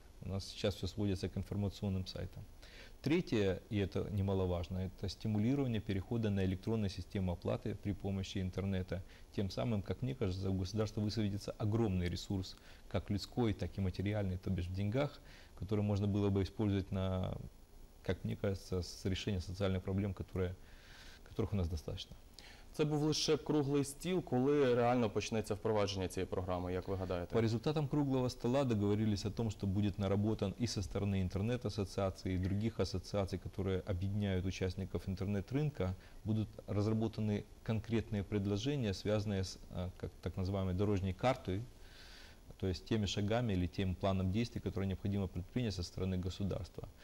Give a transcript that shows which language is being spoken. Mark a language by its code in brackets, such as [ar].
[ru] У нас сейчас все сводится к информационным сайтам. Третье, и это немаловажно, это стимулирование перехода на электронную систему оплаты при помощи интернета. Тем самым, как мне кажется, у государства высвободится огромный ресурс, как людской, так и материальный, то бишь в деньгах, который можно было бы использовать на, как мне кажется, с решение социальных проблем, которых у нас достаточно. [uk] Це був лише круглий стіл. Коли реально почнеться впровадження цієї програми, як ви гадаєте? [ru] По результатам круглого стола договорились о том, что будет наработан и со стороны интернет-ассоциации, и других ассоциаций, которые объединяют участников интернет-рынка, будут разработаны конкретные предложения, связанные с так называемой дорожной картой, то есть теми шагами или тем планом действий, которые необходимо предпринять со стороны государства.